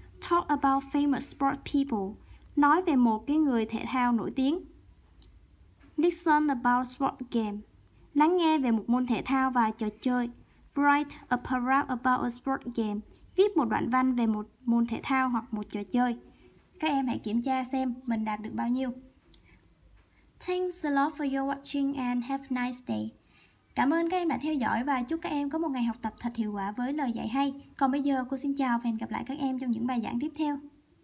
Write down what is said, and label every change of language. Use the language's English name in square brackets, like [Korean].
[English] Talk about famous sports people, [Vietnamese] nói về một cái người thể thao nổi tiếng. [English] Listen about sports game, [Vietnamese] lắng nghe về một môn thể thao và trò chơi. [English] Write a paragraph about a sports game, [Vietnamese] viết một đoạn văn về một môn thể thao hoặc một trò chơi. Các em hãy kiểm tra xem mình đạt được bao nhiêu. [English] Thanks a lot for your watching and have a nice day. [Vietnamese] Cảm ơn các em đã theo dõi và chúc các em có một ngày học tập thật hiệu quả với lời dạy hay. Còn bây giờ, cô xin chào và hẹn gặp lại các em trong những bài giảng tiếp theo.